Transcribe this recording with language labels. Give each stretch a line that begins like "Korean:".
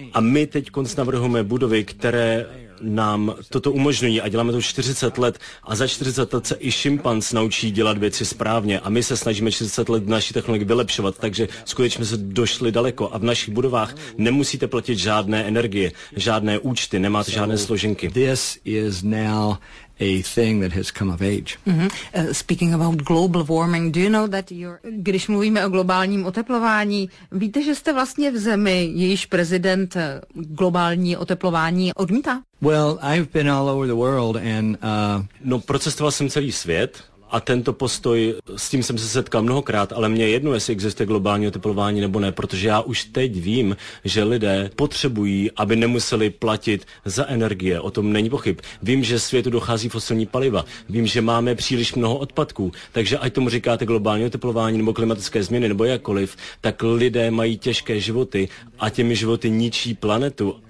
Czech: A my teď navrhujeme budovy, které nám toto umožňují a děláme to 40 let a za 40 let se i šimpanz naučí dělat věci správně a my se snažíme 40 let naši technologii vylepšovat, takže skutečně jsme se došli daleko a v našich budovách nemusíte platit žádné energie, žádné účty, nemáte žádné složenky.
English: This is now a thing that has come of age. Speaking about global warming, do you know that you're...
Czech: Když mluvíme o globálním oteplování, víte, že jste vlastně v zemi, jejíž prezident globální oteplování odmítá?
English: I've been all over the world and...
Czech: Procestoval jsem celý svět a tento postoj, s tím jsem se setkal mnohokrát, ale mě je jedno, jestli existuje globální oteplování nebo ne, protože já už teď vím, že lidé potřebují, aby nemuseli platit za energie, o tom není pochyb. Vím, že světu dochází fosilní paliva, vím, že máme příliš mnoho odpadků, takže ať tomu říkáte globální oteplování nebo klimatické změny nebo jakkoliv, tak lidé mají těžké životy a těmi životy ničí planetu.